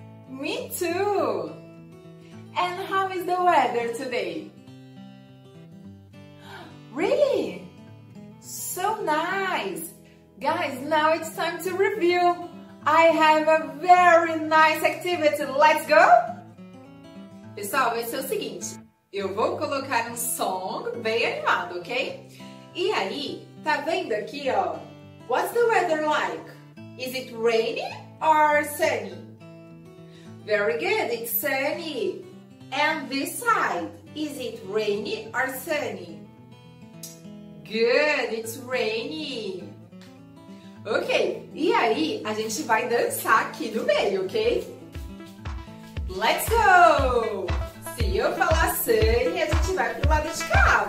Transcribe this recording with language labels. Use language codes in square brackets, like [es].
[en] Me too. And how is the weather today? Really? So nice. Guys, now it's time to review. I have a very nice activity. Let's go. [pt] Pessoal, vai ser o seguinte. Eu vou colocar um song bem animado, ok? E aí, tá vendo aqui, ó? [en] What's the weather like? Is it rainy or sunny? Very good, it's sunny. And this side, is it rainy or sunny? Good, it's rainy. [pt] Ok, e aí a gente vai dançar aqui no meio, ok? [en] Let's go! [pt] Se eu falar sunny, a gente vai pro lado de cá.